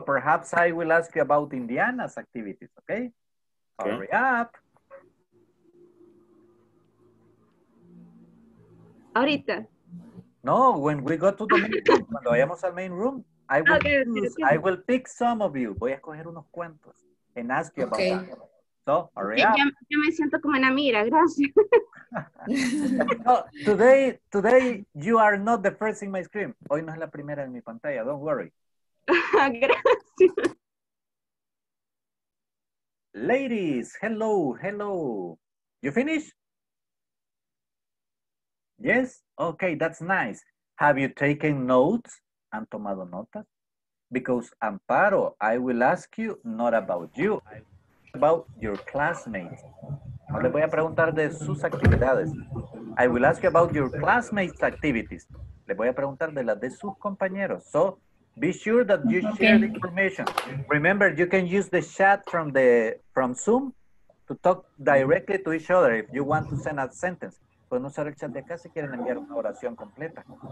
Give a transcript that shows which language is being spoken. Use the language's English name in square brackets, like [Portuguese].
[English] Perhaps I will ask you about Indiana's activities. Okay? Hurry up. [Spanish] Ahorita. [English] No, when we go to the main room, [Spanish] cuando vayamos al [English] main room, I will pick some of you. [Spanish] Voy a escoger unos cuantos [English] and ask you about that. So, hurry up. [Spanish] Yo me siento como en la mira, gracias. [English] today you are not the first in my screen. [Spanish] Hoy no es la primera en mi pantalla, [English] don't worry. [Spanish] Gracias. [English] Ladies, hello. You finished? Yes? Okay, that's nice. Have you taken notes? [Spanish] ¿Han tomado notas? [English] Because, Amparo, I will ask you not about you, about your classmates. [Spanish] No le voy a preguntar de sus actividades. [English] I will ask you about your classmates' activities. [Spanish] Le voy a preguntar de las de sus compañeros. [English] So, be sure that you share the information. Remember, you can use the chat from Zoom to talk directly to each other if you want to send a sentence. [Spanish] Pueden usar el chat de acá si quieren enviar una oración completa.